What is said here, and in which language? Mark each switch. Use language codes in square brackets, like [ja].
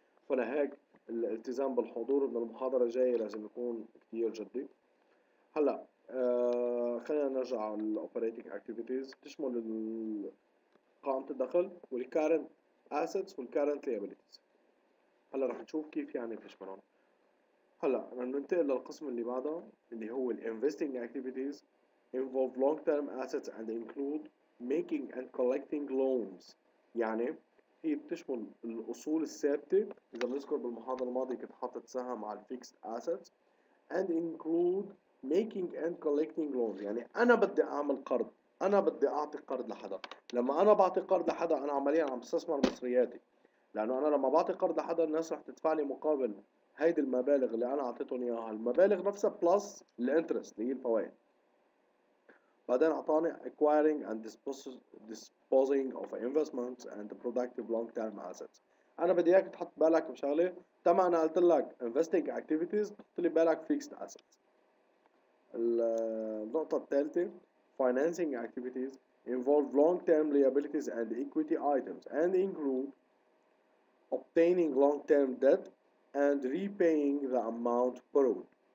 [ar] فلهيك الالتزام بالحضور من المحاضره الجايه لازم يكون كثير جدي. هلا خلينا نرجع على الاوبريتنج اكتيفيتيز، تشمل قائمه الدخل والكارنت اسيتس والكارنت ليابيليتيز. هلا راح نشوف كيف يعني تشمرهم. هلا ننتقل للقسم اللي بعده اللي هو الانفستنج اكتيفيتيز [en] involve long term assets and include making and collecting loans. [ar] يعني هي بتشمل الاصول الثابته، اذا بنذكر بالمحاضره الماضيه كنت حاطط سهم على الفيكست اسيتس، [en] and include making and collecting loans. [ar] يعني انا بدي اعمل قرض، انا بدي اعطي قرض لحدا. لما انا بعطي قرض لحدا انا عمليا عم استثمر مصرياتي، لانه انا لما بعطي قرض لحدا الناس رح تدفع لي مقابل هيدي المبالغ اللي انا اعطيتهم اياها، المبالغ نفسها بلس الانترست اللي هي الفوائد. بعدين اعطاني [en] acquiring and disposing of investments and productive long term assets. [ar] انا بدي اياك تحط بالك بشغله، تمام انا قلت لك investing activities، تحط لي بالك fixed assets. النقطه الثالثه [en] financing activities involve long term liabilities and equity items and include obtaining long term debt and repaying the amount borrowed.